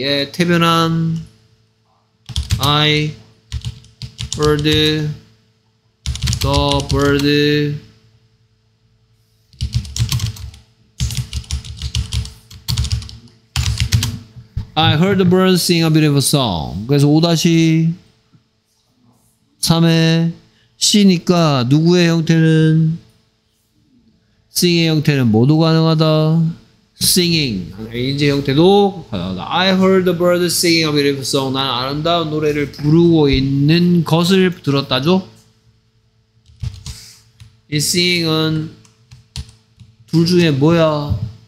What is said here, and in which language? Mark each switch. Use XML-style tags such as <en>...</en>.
<ko>예, 태변한</ko> <en>I heard the bird I heard the bird sing a beautiful song.</en> <ko>그래서 5-3의 C니까 누구의 형태는 Sing의 형태는 모두 가능하다. Singing 이제 형태도 가능하다.</ko> <en>I heard the bird singing a beautiful song.</en> <ko>나는 아름다운 노래를 부르고 있는 것을 들었다죠. 이 Singing은 둘 중에 뭐야?</ko>